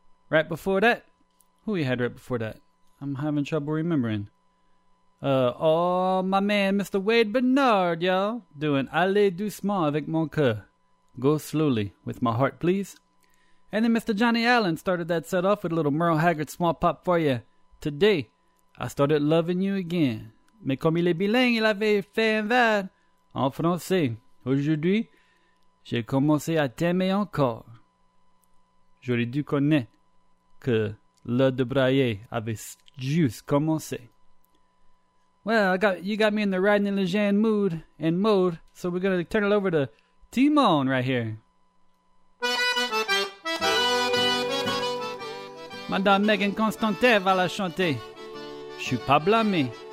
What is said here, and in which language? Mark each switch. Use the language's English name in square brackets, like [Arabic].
[English] Right before that, who we had right before that? I'm having trouble remembering. My man, Mr. Wade Bernard, y'all, doing Allez doucement avec mon coeur. Go slowly with my heart, please. And then Mr. Johnny Allen started that set off with a little Merle Haggard small pop for you today. I started loving you again. [French] Mais comme il est bilingue, il avait fait un verre en français. Aujourd'hui, j'ai commencé à t'aimer encore. J'aurais dû connaître que l'heure de brailler avait juste commencé. [English] Well, you got me in the Rodney Legendre mood and mode, so we're going to turn it over to Timon right here. [French] Madame Megan Constantin va la chanter. Je suis pas blâmé.